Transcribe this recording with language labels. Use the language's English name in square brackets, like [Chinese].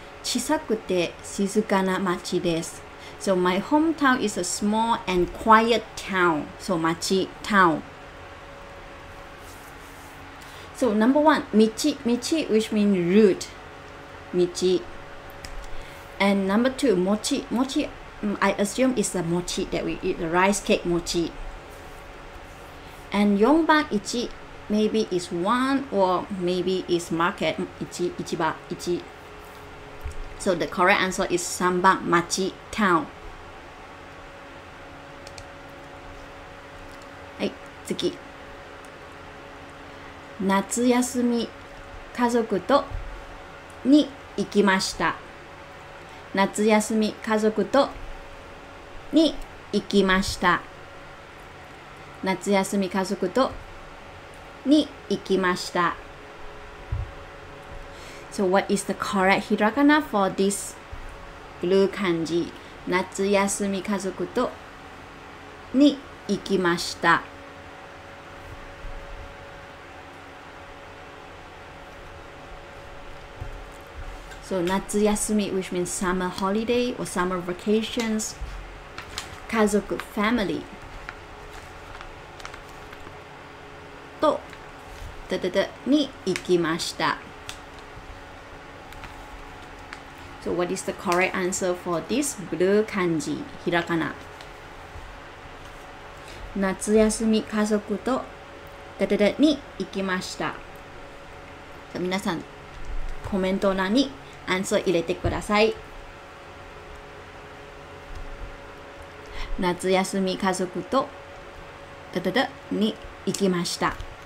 [Japanese] 小さくて静かな町です。 [English] So, my hometown is a small and quiet town. So, 町.Town. So, number one, 道 which means route. 道 And number two, 餅 I assume it's the 餅 that we eat, the rice cake 餅 And 4番 1, maybe it's one or maybe it's market 市場 So, the correct answer is 3番 町 town. [Japanese] はい、次夏休み家族とに行きました。夏休み家族とに行きました。夏休み家族とに行きました。 [English] So what is the correct hiragana for this blue kanji? [Japanese] 夏休み家族とに行きました。 [English] So 夏休み which means summer holiday or summer vacations. 家族 family. [Japanese] とだだだに行きました。 [English] So what is the correct answer for this blue kanji? [Japanese] ひらがな。夏休み家族とだだだに行きました。じゃあ皆さんコメント欄にアンサー入れてください。夏休み家族とだだだに行きました。